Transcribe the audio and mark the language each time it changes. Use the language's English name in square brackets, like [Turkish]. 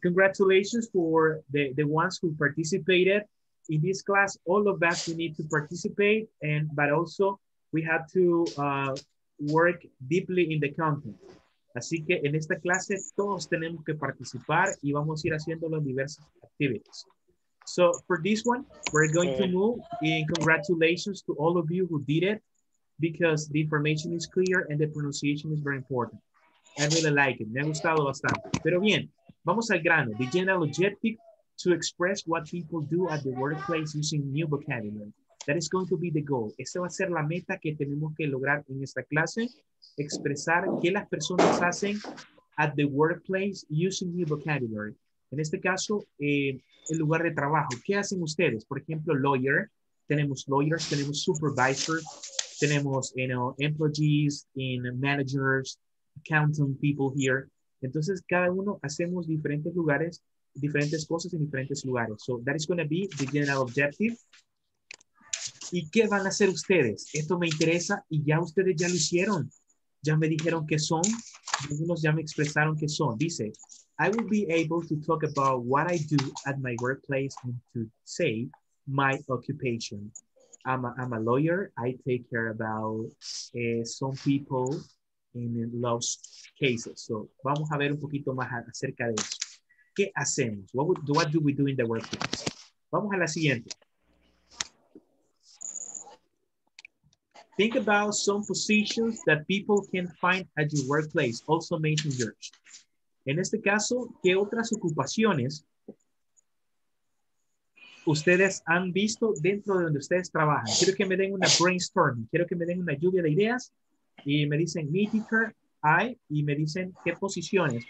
[English] Congratulations for the ones who participated in this class. All of us, we need to participate, but also we have to work deeply in the content. [Spanish] Así que en esta clase todos tenemos que participar y vamos a ir haciéndolo en diversas actividades. [English] So for this one, we're going to move in congratulations to all of you who did it, because the information is clear and the pronunciation is very important. I really like it. [Spanish] Me ha gustado bastante. Pero bien, vamos al grano. [English] The general objective to express what people do at the workplace using new vocabulary. That is going to be the goal. [Spanish] Esta va a ser la meta que tenemos que lograr en esta clase. Expresar qué las personas hacen [English] at the workplace using new vocabulary. [Spanish] En este caso, el lugar de trabajo. ¿Qué hacen ustedes? Por ejemplo, lawyer. Tenemos lawyers, tenemos supervisors, tenemos employees, managers, [English] accounting people here. [Spanish] Entonces, cada uno hacemos diferentes lugares, diferentes cosas en diferentes lugares. [English] So, that is going to be the general objective. [Spanish] ¿Y qué van a hacer ustedes? Esto me interesa y ya ustedes ya lo hicieron. Ya me dijeron qué son. Algunos ya me expresaron qué son. [English] Dice, I will be able to talk about what I do at my workplace and to say my occupation. I'm a lawyer. I take care about some people in love cases. [Spanish] So, vamos a ver un poquito más acerca de eso. ¿Qué hacemos? [English] What do we do in the workplace? [Spanish] Vamos a la siguiente. [English] Think about some positions that people can find at your workplace, also mentioned yours. [Spanish] En este caso, ¿qué otras ocupaciones ustedes han visto dentro de donde ustedes trabajan? Quiero que me den una brainstorming, quiero que me den una lluvia de ideas y me dicen, mi teacher, I, y me dicen, ¿qué posiciones?